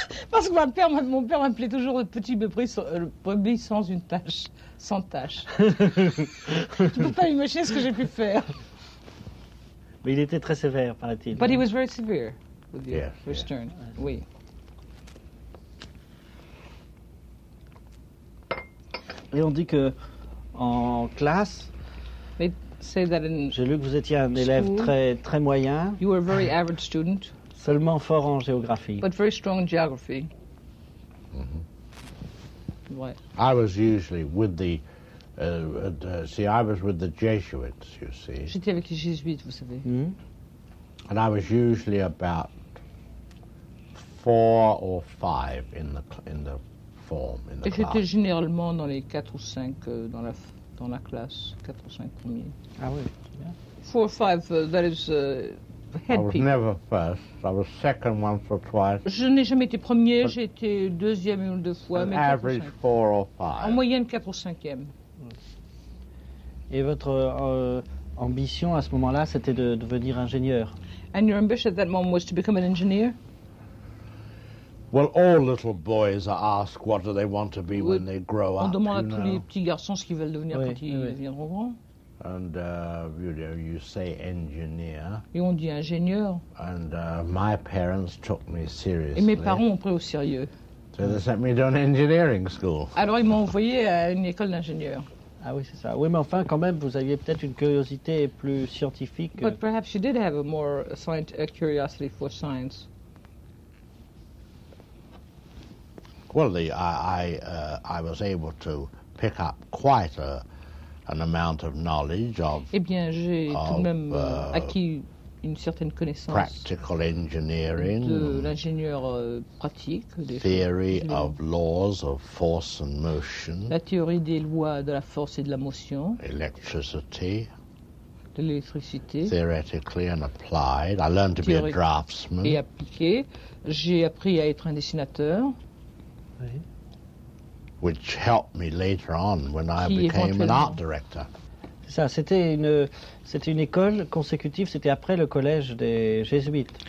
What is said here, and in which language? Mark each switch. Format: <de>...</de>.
<fr>Parce que mon père m'appelait toujours le petit brebis sans une tache, sans tache. Tu peux pas imaginer ce que j'ai pu faire. Mais il était très sévère, paraît-il.</fr> <en>But he was very severe with you, yes, with Stern. Yes. Oui.</en> <fr>Et on dit que en classe,</fr> <en>they say that in</en> <fr>j'ai lu que vous étiez un</fr> <en>school,</en> <fr>élève très très moyen.</fr> <en>You were a very average student.</en> <fr>Seulement fort en géographie.</fr> <en>But very strong in geography. Mm-hmm. I was usually with the I was with the Jesuits, you see.</en> <fr>J'étais avec les Jésuites, vous savez. Mm-hmm.</fr> <en>And I was usually about 4 or 5 in the form in the</en> <fr>et</fr> <en>class.</en> <fr>J'étais généralement dans les 4 ou 5 dans la classe, 4 ou 5 premiers. Ah oui. Yeah.</fr> <en>4 or 5 that is head peak. I was never first. I was second once or twice.</en> <fr>Je n'ai jamais été premier. J'ai été deuxième une ou deux fois.</fr> <en>An average 4 or 5.</en> <fr>En moyenne 4 ou 5e. Et votre ambition à ce moment-là, c'était de devenir ingénieur.</fr> <en>And your ambition at that moment was to become an engineer. Well, all little boys are asked what do they want to be when they grow up.</en> <fr>On demande à tous les petits garçons ce qu'ils veulent devenir quand ils viendront grand.</fr> <en>And you know, you say engineer.</en> <fr>Et on dit ingénieur.</fr> <en>And my parents took me seriously.</en> <fr>Et mes parents m'ont pris au sérieux.</fr> <en>So they sent me to an engineering school.</en> <fr>Alors ils m'ont envoyé à une école d'ingénieur. Ah oui, c'est ça. Oui, mais enfin, quand même, vous aviez peut-être une curiosité plus scientifique.</fr> <en>But perhaps you did have a more a curiosity for science. Well, I was able to pick up quite an amount of knowledge of.</en> <fr>Eh bien, j'ai tout de même acquis une certaine connaissance.</fr> <en>Practical engineering.</en> <fr>De l'ingénieur pratique.</fr> <en>Theory of laws of force and motion.</en> <fr>La théorie des lois de la force et de la motion.</fr> <en>Electricity.</en> <fr>De l'électricité.</fr> <en>Theoretically and applied. I learned to be a draftsman.</en> <fr>Et appliqué. J'ai appris à être un dessinateur. Oui.</fr> <en>Which helped me later on when I became an art director.</en> <fr>C'est ça, c'était une école consécutive, c'était après le collège des jésuites.</fr>